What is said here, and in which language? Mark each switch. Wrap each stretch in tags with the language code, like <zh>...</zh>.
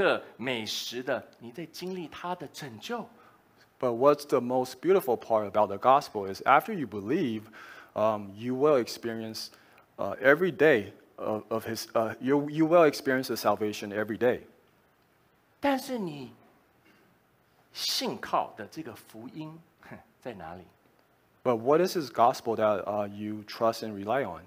<zh>可是神的福音最美的地方就是当你真正的认识了福音，当你信靠了主耶稣之后，弟兄姐妹，在你的生命当中、生活里面，从今天开始，从现在，你就是每天、每刻、每时的你在经历他的拯救。</zh> <en>But what's the most beautiful part about the gospel is after you believe, you will experience every day of his you will experience the salvation every day.</en> <zh>但是你信靠的这个福音在哪里？</zh> <en>But what is his gospel that you trust and rely on?</en>